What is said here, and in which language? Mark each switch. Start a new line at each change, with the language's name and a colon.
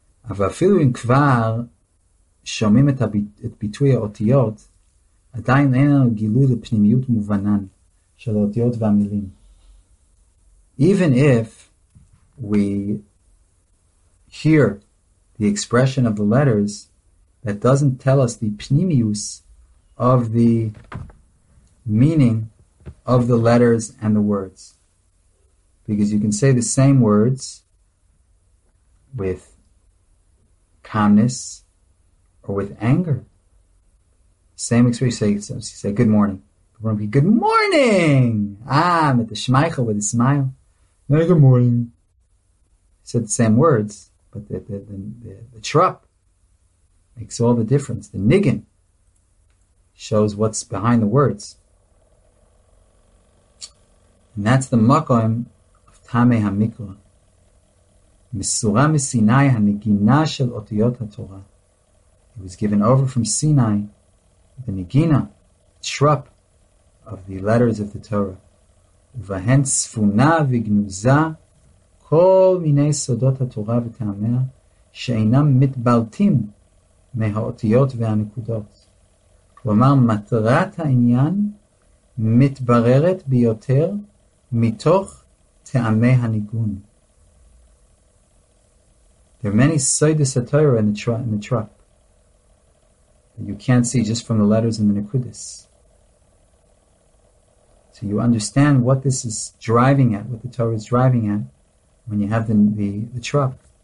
Hebrew: אבל אפילו אם כבר שומעים את ביטוי האותיות, עדיין אין לנו גילוי לפנימיות מובנן של האותיות והמילים.
English: Even if we hear the expression of the letters, that doesn't tell us the פנימיוס of the meaning of the letters and the words. Because you can say the same words with calmness, or with anger. Same expression. You say, good morning. Good morning! Ah, with the shmeichel, with a smile. Hey, good morning. Said the same words, but the trup makes all the difference. The niggin shows what's behind the words. And that's the makom of Tamei HaMikra.
Hebrew: מסורה מסיני הנגינה של אותיות התורה.
English: It was given over from Sinai, the negina, the trup of the letters of the Torah.
Hebrew: ובהן צפונה וגנוזה כל מיני סודות התורה וטעמיה שאינם מתבלטים מהאותיות והנקודות. כלומר, מטרת העניין מתבררת ביותר מתוך טעמי הניגון.
English: There are many sodas of Torah in the trap that you can't see just from the letters in the Nekudas. So you understand what this is driving at, what the Torah is driving at, when you have the trap.